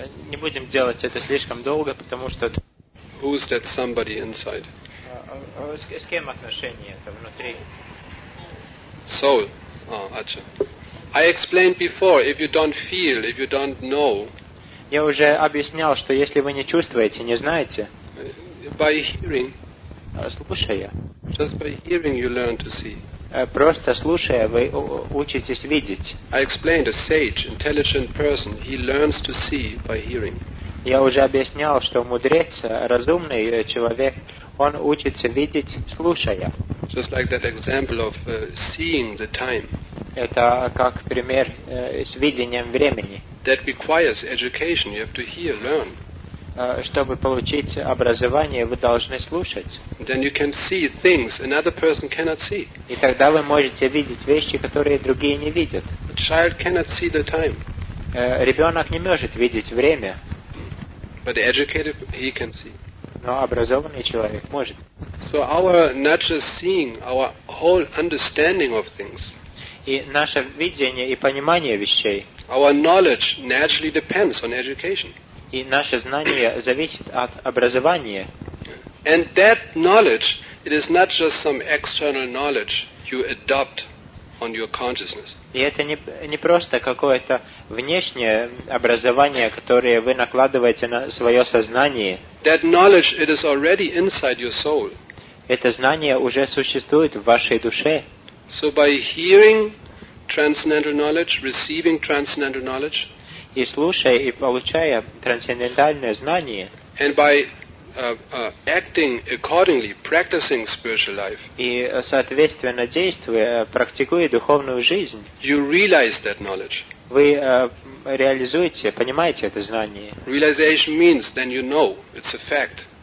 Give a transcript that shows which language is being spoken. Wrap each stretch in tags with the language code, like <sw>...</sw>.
<ru>Не будем делать это слишком долго, потому что.</ru> <en>Who is that somebody inside?</en> <ru>С кем отношения это внутри?</ru> <en>Soul. Acha. I explained before. If you don't feel, if you don't know.</en> <ru>Я уже объяснял, что если вы не чувствуете, не знаете.</ru> <en>By hearing.</en> <ru>Слушая.</ru> <en>Just by hearing, you learn to see.</en> <ru>Просто слушая, вы учитесь видеть.</ru> <en>I explained, a sage, intelligent person, he learns to see by hearing.</en> <ru>Я уже объяснял, что мудрец, разумный человек, он учится видеть, слушая.</ru> <en>Just like that example of seeing the time.</en> <ru>Это как пример с видением времени.</ru> <en>That requires education. You have to hear, learn.</en> <ru>Чтобы получить образование, вы должны слушать.</ru> <en>Then you can see things another person cannot see.</en> <ru>И тогда вы можете видеть вещи, которые другие не видят.</ru> <en>A child cannot see the time.</en> <ru>Ребенок не может видеть время.</ru> <en>But the educated, he can see.</en> <ru>Но образованный человек может.</ru> <en>So our not just seeing, our whole understanding of things.</en> <ru>И наше видение и понимание вещей.</ru> <en>Our knowledge naturally depends on education.</en> <ru>И наше знание зависит от образования.</ru> <en>And that knowledge, it is not just some external knowledge you adopt on your consciousness.</en> <ru>И это не просто какое-то внешнее образование, которое вы накладываете на свое сознание.</ru> <en>That knowledge, it is already inside your soul.</en> <ru>Это знание уже существует в вашей душе.</ru> <en>So by hearing transcendental knowledge, receiving transcendental knowledge,</en> <ru>и слушая и получая трансцендентальное знание,</ru> <en>and by acting accordingly, practicing spiritual life,</en> <ru>и соответственно действуя, практикуя духовную жизнь,</ru> <en>you realize that knowledge.</en> <ru>вы реализуете, понимаете это знание.</ru> <en>Realization means then you know it's a fact.</en>